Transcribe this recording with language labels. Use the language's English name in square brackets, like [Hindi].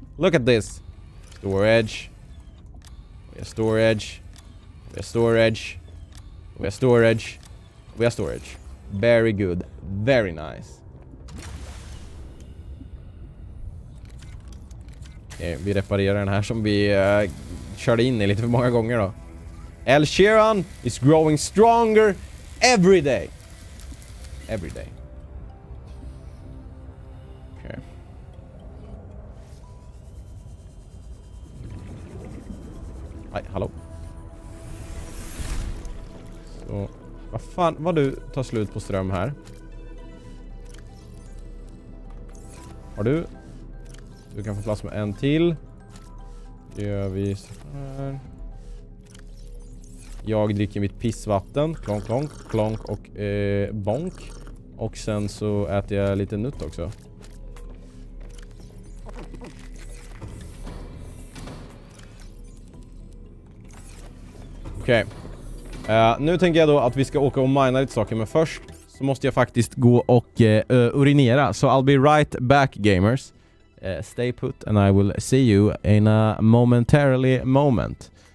[English] Look at this. [Swedish] Storage. Vi har storage. Vi har storage. Vi har storage. Vi har storage. [English] Very good. Very nice. [Swedish] Okay, vi reparerar den här som vi körde in i lite för många gånger då. [English] El Sheeran is growing stronger every day. Every day. [Swedish] Nej, hallå. Så, vad fan, vad du tar slut på ström här? Har du Du kan få plats med en till. Gör vi så här. Jag dricker mitt pissvatten. Klonk, klonk, klonk och bonk. Och sen så äter jag lite nutt också. Okej. Okay. Nu tänker jag då att vi ska åka och mina lite saker. Men först så måste jag faktiskt gå och urinera. [English] Så I'll be right back, gamers. Stay put and I will see you in a momentarily moment.